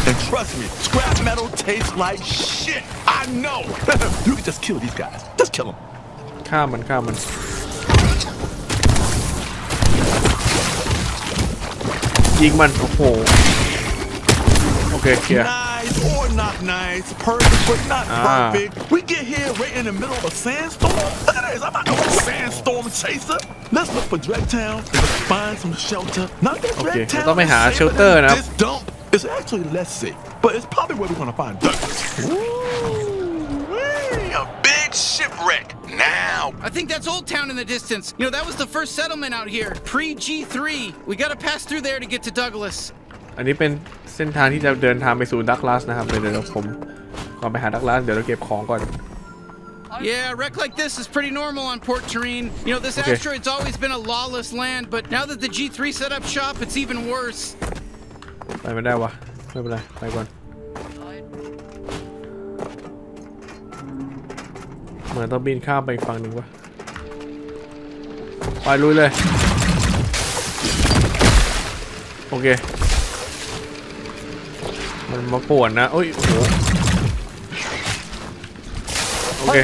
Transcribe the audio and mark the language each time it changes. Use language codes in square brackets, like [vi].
[en] And trust me, scrap metal tastes like shit. I know. You can just kill these guys. Just kill them. [th] ฆ่ามันยิงมันโอ้โหโอเคเคลียร์ [en] Nice or not nice, perfect but not perfect. We get here right in the middle of a sandstorm. Look at this, I'm not a sandstorm chaser. Let's look for Dragtown and find some shelter. Not this Dragtown. Okay, we're going to find shelter, right? This dump is actually less safe, but it's probably where we're going to find Douglas. Ooh, a big shipwreck. Now. I think that's Old Town in the distance. You know, that was the first settlement out here, pre-G3. We got to pass through there to get to Douglas. [th] อันนี้เป็นเส้นทางที่จะเดินทางไปสู่ดักลาสนะครับเดี๋ยวผมก่อนไปหาดักลาสเดี๋ยวเราเก็บของก่อน [en] Yeah, a wreck like this is pretty normal on Port Terrine. You know, this asteroid's always been a lawless land, but now that the G3 set up shop, it's even worse. [th] ไปไม่ได้วะไม่เป็นไรไปก่อนเหมือนต้องบินข้ามไปฝั่งหนึ่งวะไปลุยเลยโอเคมันมาป่วนนะโอ้ยOkay.